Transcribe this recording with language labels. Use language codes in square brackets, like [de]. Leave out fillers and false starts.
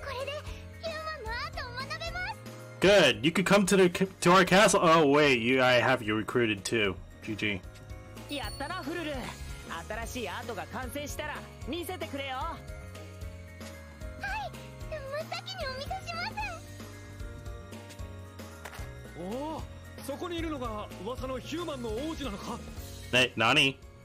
[ja] これでヒューマンのアートを学べます。 [en] Good! You could come to our castle! Oh wait, I have you recruited too, GG. [ja] やったなフルル、新しいアートが完成したら見せてくれよ。はい、真っ先にお見せします。おお、そこにいるのが噂のヒューマンの王子なのか。え、何?